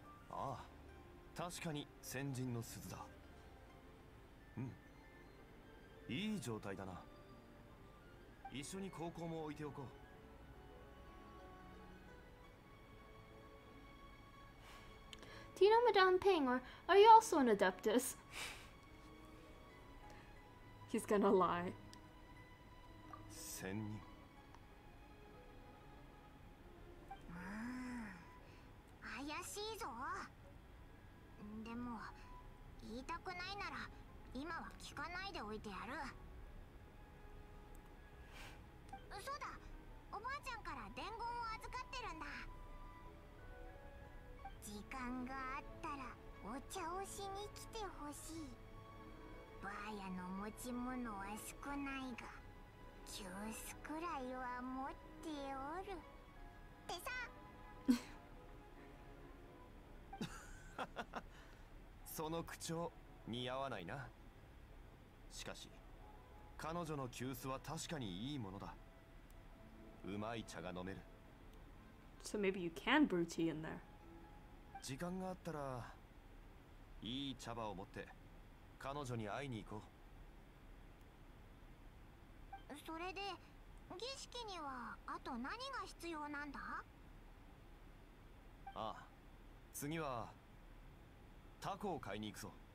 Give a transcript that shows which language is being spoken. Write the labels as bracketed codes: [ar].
[ja] ああ、確かに先人の鈴だ。うん、いい状態だな。一緒に高校も置いておこう。 [en] Do you know Madame Ping, or are you also an adeptus? He's gonna lie. [ja] 仙人。怪しいぞ。でも言いたくないなら今は聞かないでおいてやる。そうだ、おばあちゃんから伝言を預かってるんだ。時間があったらお茶をしに来てほしい。バーヤの持ち物は少ないが急須くらいは持っておるってさ。その口調似合わないな。しかし彼女の急須は確かにいいものだ。うまい茶が飲める。 [en] So maybe you can brew tea in there. [ja] 時間があったらいい茶葉を持って彼女に会いに行こう。それで儀式にはあと何が必要なんだ？ああ、次はタコを買いに行くぞ。